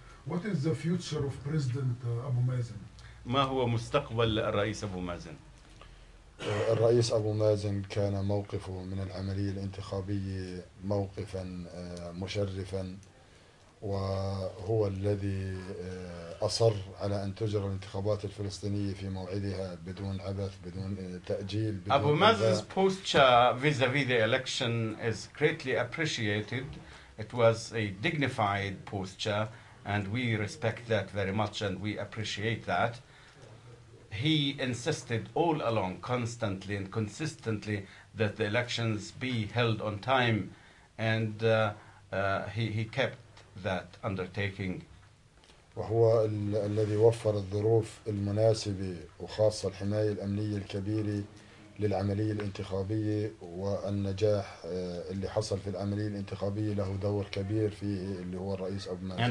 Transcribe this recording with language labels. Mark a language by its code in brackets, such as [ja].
[en] What is the future of President Abu Mazen? [ar] ما هو مستقبل الرئيس أبو مازن؟ الرئيس أبو مازن كان موقفه من العملية الانتخابية موقفا مشرفا وهو الذي أصر على أن تجرى الانتخابات الفلسطينية في موعدها بدون عبث بدون تأجيل. [en] أبو مازن's posture vis-à-vis the election is greatly appreciated. It was a dignified posture, and we respect that very much, and we appreciate that. He insisted all along, constantly and consistently, that the elections be held on time, and he kept that undertaking. [ar] وهو الذي وفر الظروف المناسبة وخاصة الحماية الأمنية الكبيرة للعملية الانتخابية والنجاح اللي حصل في العملية الانتخابية له دور كبير فيه اللي هو الرئيس أبو مازن.